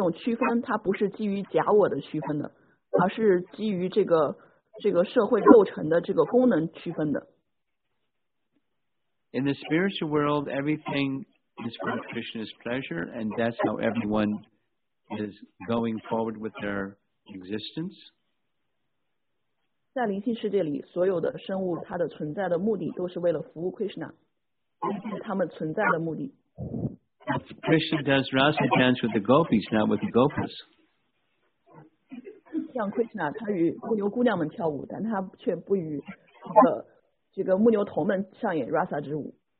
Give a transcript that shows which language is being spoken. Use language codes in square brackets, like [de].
[zh] 但是这种区分它不是基于假我的区分的, 而是基于这个社会构成的这个功能区分的。 [en] In the spiritual world, everything is for Krishna's pleasure, and that's how everyone is going forward with their existence. [zh] 在灵性世界里, 所有的生物, 它的存在的目的都是为了服务 Krishna, 它们存在的目的。 [en] Krishna does rasa dance with the gopis, not with the gophers. [zh] 像 Krishna, 他与牧牛姑娘们跳舞, 但他却不与这个牧牛童们上演 rasa 之舞。